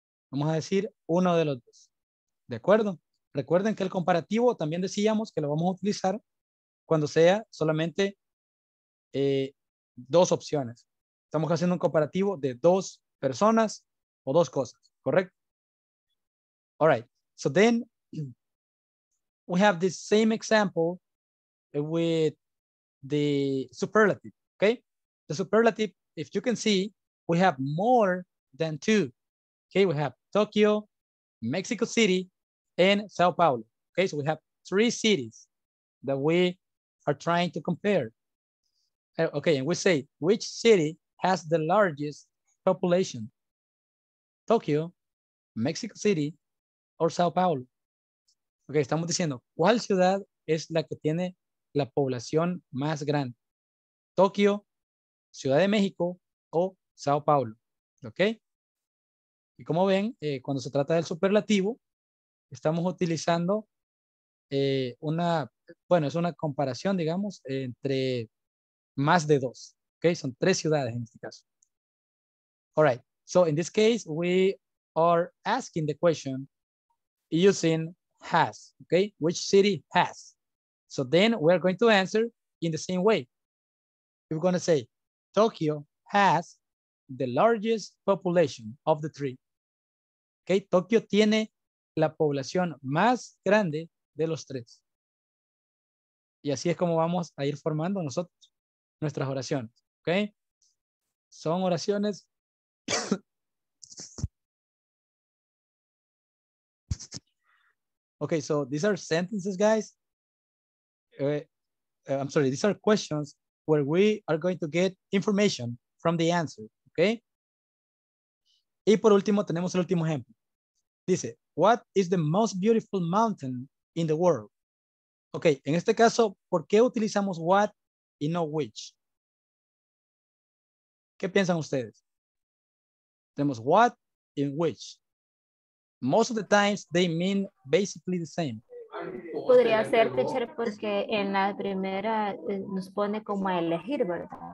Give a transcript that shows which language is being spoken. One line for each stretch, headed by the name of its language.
Spanish: Vamos a decir uno de los dos, ¿de acuerdo? Recuerden que el comparativo también decíamos que lo vamos a utilizar cuando sea solamente dos opciones. Estamos haciendo un comparativo de dos personas o dos cosas, ¿correcto?
English: All right, so then we have the same example with the superlative, okay? The superlative, if you can see, we have more than two, okay? We have Tokyo, Mexico City, and Sao Paulo, okay? So we have three cities that we are trying to compare. Okay, and we say, which city has the largest population? Tokyo, Mexico City, or Sao Paulo?
Spanish: Okay, estamos diciendo, ¿cuál ciudad es la que tiene la población más grande? Tokyo, Ciudad de México, o Sao Paulo, okay? Y como ven, cuando se trata del superlativo, estamos utilizando es una comparación, digamos, entre más de dos, okay? Son tres ciudades en este caso.
English: All right, so in this case, we are asking the question using has, okay? Which city has? So then we're going to answer in the same way. We're gonna say, Tokyo has the largest population of the three.
Spanish: Okay, Tokyo tiene la población más grande de los tres. Y así es como vamos a ir formando nosotros nuestras oraciones, ¿ok? Son oraciones...
English: Okay, so these are sentences, guys. I'm sorry, these are questions where we are going to get information from the answer, ¿ok?
Spanish: Y por último, tenemos el último ejemplo. Dice,
English: what is the most beautiful mountain in the world?
Spanish: Ok, en este caso, ¿por qué utilizamos what y no which? ¿Qué piensan ustedes? Tenemos what y which.
English: Most of the times, they mean basically the same.
Spanish: Podría ser, teacher, porque en la primera nos pone como a elegir, ¿verdad?